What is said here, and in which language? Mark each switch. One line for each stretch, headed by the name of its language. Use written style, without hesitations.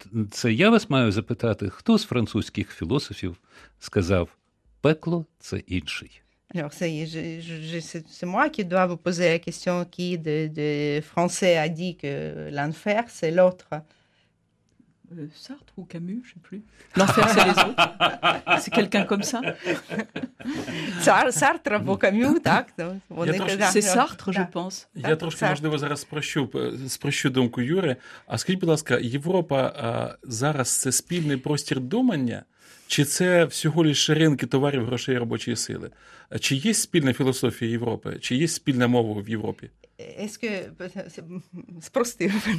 Ukrainian: Це я вас маю запитати, хто з французьких філософів сказав: пекло – це інший.
French: Alors, c'est moi qui dois vous poser la question, qui de français a dit que l'enfer, c'est l'autre. Sartre ou Camus, je ne sais plus. L'enfer, c'est les autres. C'est quelqu'un comme ça. Sartre ou Camus,
Ukrainian: так.
French: C'est Sartre, je pense.
Ukrainian: Я трошки, можливо, зараз спрощу думку Юри. А скажіть, будь ласка, Європа зараз це спільний простір думання? Чи це всього лиш ринки товарів, грошей, робочої сили? Чи є спільна філософія Європи? Чи є спільна мова в Європі?
French: Est-ce que
Ukrainian: спрости?